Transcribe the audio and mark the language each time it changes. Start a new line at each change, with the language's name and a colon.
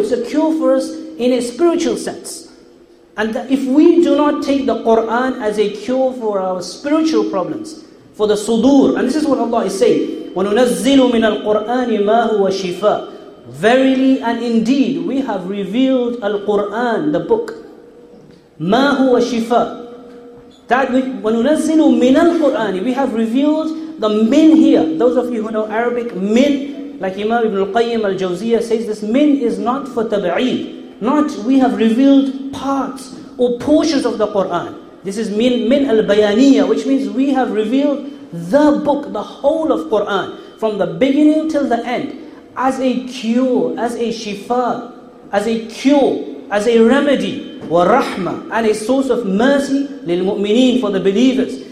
English: It's a cure for us in a spiritual sense. And if we do not take the Quran as a cure for our spiritual problems, for the sudur, and this is what Allah is saying,
Arabic: وَنُنَزِّلُ مِنَ الْقُرْآنِ مَا هُوَ شِفَاء.
English: Verily and indeed, we have revealed Al-Quran, the book.
Arabic: مَا هُوَ شِفَاء. That وَنُنَزِّلُ مِنَ الْقُرْآنِ.
English: We have revealed the min here. Those of you who know Arabic, min, like Imam Ibn al-Qayyim al-Jawziyah says, this min is not for tab'eed. Not we have revealed parts or portions of the Quran. This is min al-bayaniyah, which means we have revealed the book, the whole of Quran, from the beginning till the end, as a cure, as a shifa, as a cure, as a remedy, wa rahma, and a source of mercy lil mu'mineen, for the believers.